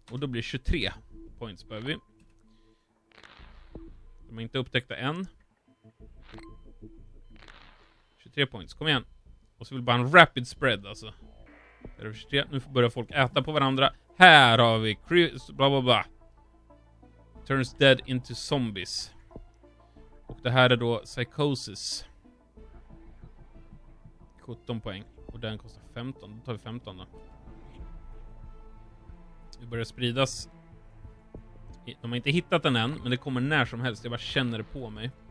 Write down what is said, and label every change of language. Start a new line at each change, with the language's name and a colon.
Swedish: Och då blir 23. Points behöver vi. De har inte upptäckta än. 43 points. Kom igen. Och så vill bara en rapid spread alltså. Det är 43. Nu börjar folk äta på varandra. Här har vi Chris, bla bla bla.
English: Turns dead into zombies.
Swedish: Och det här är då psychosis. 17 poäng. Och den kostar 15. Då tar vi 15 då. Det börjar spridas. De har inte hittat den än, men det kommer när som helst. Jag bara känner det på mig.